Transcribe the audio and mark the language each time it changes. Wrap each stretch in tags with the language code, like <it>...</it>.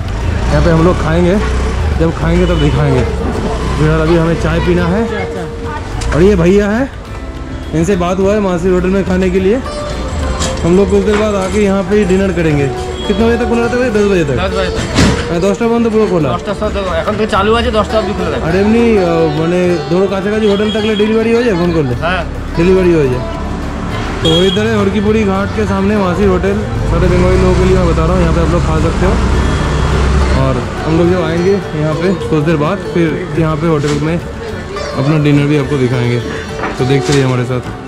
<hi>यहाँ पे हम लोग खाएंगे, जब खाएंगे तब दिखाएंगे। फिलहाल अभी हमें चाय पीना है। और ये भैया है, इनसे बात हुआ है मासीर होटल में खाने के लिए। हम लोग कुछ देर बाद आके यहाँ पे डिनर करेंगे। कितने बजे तक खुला रहता है भाई? 10 बजे तक। 10 बजे तक।</hi> <bn>10টা বন্ধ পুরো খোলা। 10টা সব এখন তো চালু আছে, 10টা অবধি খোলা থাকে। আর এমনি মানে ধরো কাছাকাছি হোটেল থাকলে ডেলিভারি হয়ে যায়, ফোন করলে? হ্যাঁ ডেলিভারি হয়ে যায়।</bn> <hi>तो इधर है हरकीपुरी घाट के सामने वासी होटल, सारे बंगाली लोगों के लिए मैं बता रहा हूँ, यहाँ पे आप लोग खा सकते हो। और हम लोग जब आएंगे यहाँ पे कुछ देर बाद, फिर यहाँ पे होटल में अपना डिनर भी आपको दिखाएंगे, तो देखते रहिए हमारे साथ।</hi>